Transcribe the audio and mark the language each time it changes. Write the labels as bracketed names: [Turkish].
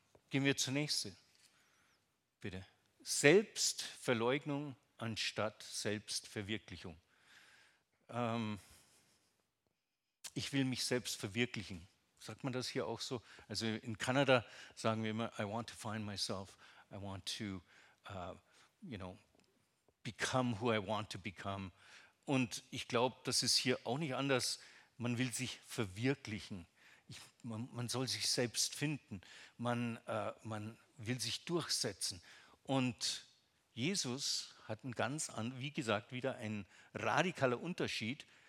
[German] Gehen wir zur nächsten. Bitte. Selbstverleugnung anstatt Selbstverwirklichung. Ich will mich selbst verwirklichen. Sagt man das hier auch so? Also in Kanada sagen wir immer, [English] I want to find myself, I want to, you know, become who I want to become. [German] Und ich glaube, das ist hier auch nicht anders. Man will sich verwirklichen. Man soll sich selbst finden. Man will sich durchsetzen. Und Jesus hat einen ganz anderen, wie gesagt, wieder ein radikaler Unterschied.